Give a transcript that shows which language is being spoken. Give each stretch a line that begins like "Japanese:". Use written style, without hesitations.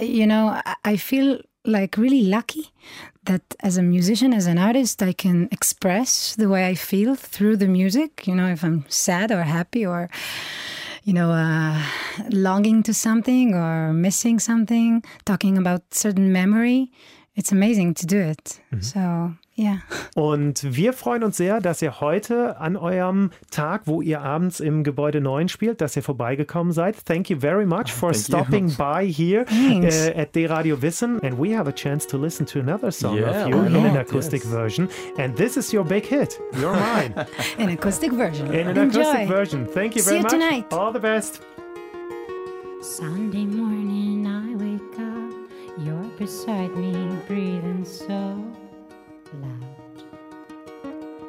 English: You know, I feel like really lucky that as a musician, as an artist, I can express the way I feel through the music. You know, if I'm sad or happy or, you know, longing to something or missing something, talking about certain memory, it's amazing to do it. Mm-hmm. So... Yeah.
German: Und wir freuen uns sehr, dass ihr heute an eurem Tag, wo ihr abends im Gebäude 9 spielt, dass ihr vorbeigekommen seid.
English: Thank you very much for stopping by here at D Radio Wissen. And we have a chance to listen to another song of you in an acoustic version. And this is your big hit. You're mine. An acoustic version. Acoustic version. Thank you very much. See you tonight. All the best. Sunday morning I wake up, you're beside me breathing so loud.